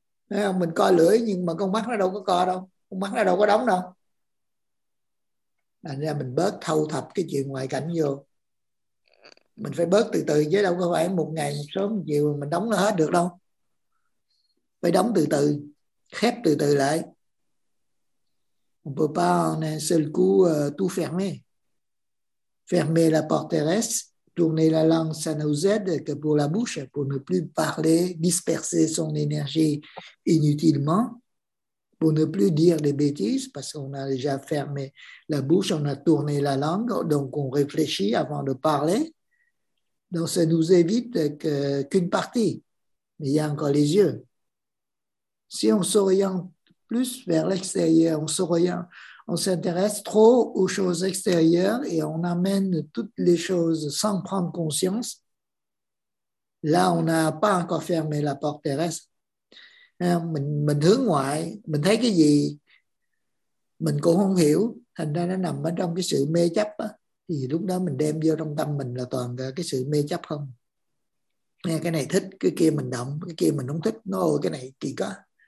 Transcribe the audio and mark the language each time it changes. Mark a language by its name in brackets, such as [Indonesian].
[Vietnamese] Thấy không? Mình coi lưỡi nhưng mà con mắt nó đâu có co đâu. Con mắt nó đâu có đóng đâu. Thành ra mình bớt thâu thập cái chuyện ngoại cảnh vô. Mình phải bớt từ từ chứ đâu có phải một ngày một số một chiều mình đóng nó hết được đâu. Phải đóng từ từ, khép từ từ lại. [French] On peut pas en un seul coup tout fermer. Fermer la porte terrestre, tourner la langue, ça ne nous aide que pour la bouche, pour ne plus parler, disperser son énergie inutilement, pour ne plus dire des bêtises, parce qu'on a déjà fermé la bouche, on a tourné la langue, donc on réfléchit avant de parler. Donc, ça nous évite qu'une partie, mais il y a encore les yeux. Si on s'oriente plus vers l'extérieur, on s'oriente, on s'intéresse trop aux choses extérieures et on amène toutes les choses sans prendre conscience, là, on n'a pas encore fermé la porte terrestre. [Vietnamese] Mình hướng ngoại, mình thấy cái gì, mình cũng không hiểu, thành ra nó nằm ở trong cái sự mê chấp á. Thì lúc đó mình đem vô trong tâm mình là toàn cái sự mê chấp không. Nghe cái này thích, cái kia mình động, cái kia mình không thích. Nó ôi cái này kỳ quá.